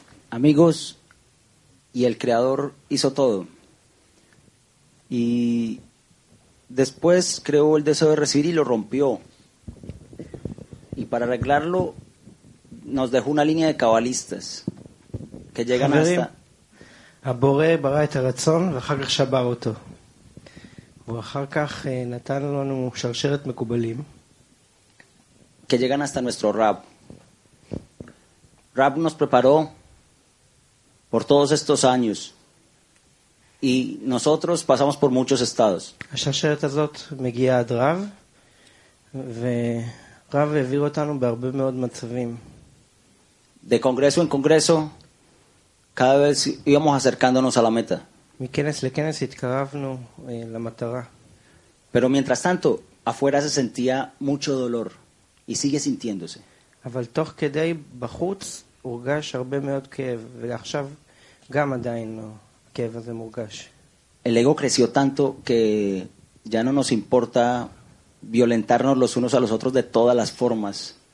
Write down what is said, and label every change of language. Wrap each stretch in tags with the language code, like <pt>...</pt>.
<es>אמיגוס, y el creador hizo todo. Y después creó el deseo de recibir y lo rompió. Y para arreglarlo nos dejó una línea de cabalistas que llegan</es> <he>חברים,</he> <es>hasta</es> <he>הבורא ברא את הרצון ואחר כך שבר אותו. ואחר כך נתן לנו שרשרת מקובלים</he> <es>que llegan hasta nuestro Rab. Rab nos preparó por todos estos años y nosotros pasamos por muchos estados.</es> <he>השרשרת הזאת מגיעה עד רב, ורב העביר אותנו בהרבה מאוד מצבים.</he> <es>De congreso en congreso cada vez íbamos acercándonos a la meta.</es> <he>מכנס לכנס התקרבנו למטרה.</he> <es>Pero mientras tanto afuera se sentía mucho dolor y sigue sintiéndose.</es> <he>אבל תוך כדי בחוץ הורגש הרבה מאוד כאב, ועכשיו גם עדיין הכאב הזה מורגש.</he> <es>El ego creció tanto que ya no nos importa violentarnos los unos a los otros de todas las formas.</es>